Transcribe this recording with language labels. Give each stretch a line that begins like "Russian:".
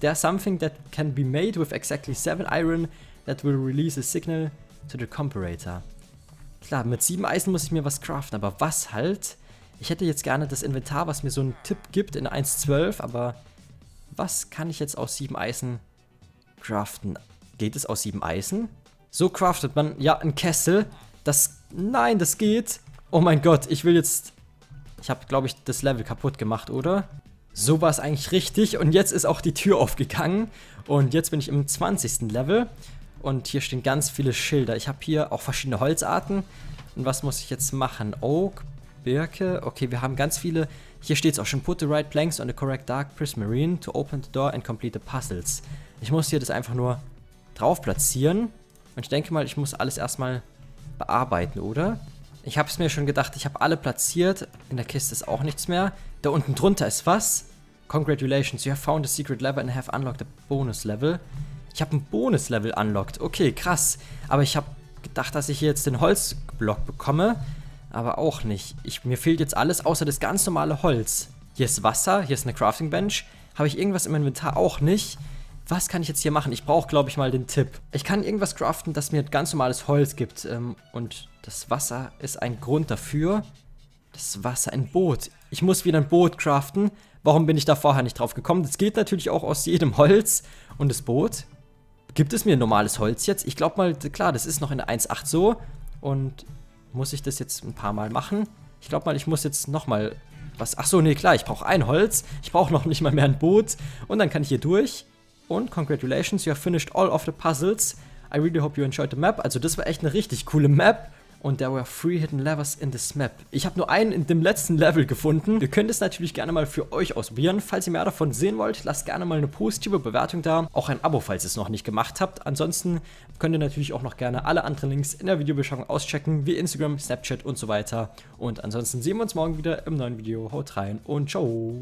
English: There's something that can be made with exactly 7 iron that will release a signal to the comparator.
German: Klar, mit 7 Eisen muss ich mir was craften, aber was halt? Ich hätte jetzt gerne das Inventar, was mir so einen Tipp gibt in 1.12, aber was kann ich jetzt aus 7 Eisen craften? Geht es aus 7 Eisen? So craftet man, ja, einen Kessel. Das, nein, das geht. Oh mein Gott, ich will jetzt... Ich habe, glaube ich, das Level kaputt gemacht, oder? So war es eigentlich richtig. Und jetzt ist auch die Tür aufgegangen. Und jetzt bin ich im 20. Level. Und hier stehen ganz viele Schilder. Ich habe hier auch verschiedene Holzarten. Und was muss ich jetzt machen? Oak, Birke. Okay, wir haben ganz viele. Hier steht es auch schon.
English: Put the right planks on the correct dark prismarine to open the door and complete the puzzles.
German: Ich muss hier das einfach nur drauf platzieren. Und ich denke mal, ich muss alles erstmal bearbeiten, oder? Ich habe es mir schon gedacht, ich habe alle platziert. In der Kiste ist auch nichts mehr. Da unten drunter ist was?
English: Congratulations, you have found a secret level and have unlocked a bonus level.
German: Ich habe ein Bonus Level unlocked. Okay, krass. Aber ich habe gedacht, dass ich hier jetzt den Holzblock bekomme. Aber auch nicht. Mir fehlt jetzt alles außer das ganz normale Holz. Hier ist Wasser, hier ist eine Crafting Bench. Habe ich irgendwas im Inventar? Auch nicht. Was kann ich jetzt hier machen? Ich brauche, glaube ich, mal den Tipp. Ich kann irgendwas craften, das mir ganz normales Holz gibt. Und das Wasser ist ein Grund dafür. Das Wasser, ein Boot. Ich muss wieder ein Boot craften. Warum bin ich da vorher nicht drauf gekommen? Das geht natürlich auch aus jedem Holz. Und das Boot. Gibt es mir normales Holz jetzt? Ich glaube mal, klar, das ist noch in 1.8 so. Und muss ich das jetzt ein paar Mal machen? Ich glaube mal, ich muss jetzt nochmal was... Ach so, nee, klar, ich brauche ein Holz. Ich brauche noch nicht mal mehr ein Boot. Und dann kann ich hier durch.
English: Und congratulations, you have finished all of the puzzles. I really hope you enjoyed the map.
German: Also das war echt eine richtig coole Map.
English: Und there were 3 hidden levers in this map.
German: Ich habe nur einen in dem letzten Level gefunden. Ihr könnt es natürlich gerne mal für euch ausprobieren. Falls ihr mehr davon sehen wollt, lasst gerne mal eine positive Bewertung da. Auch ein Abo, falls ihr es noch nicht gemacht habt. Ansonsten könnt ihr natürlich auch noch gerne alle anderen Links in der Videobeschreibung auschecken, wie Instagram, Snapchat und so weiter. Und ansonsten sehen wir uns morgen wieder im neuen Video. Haut rein und ciao.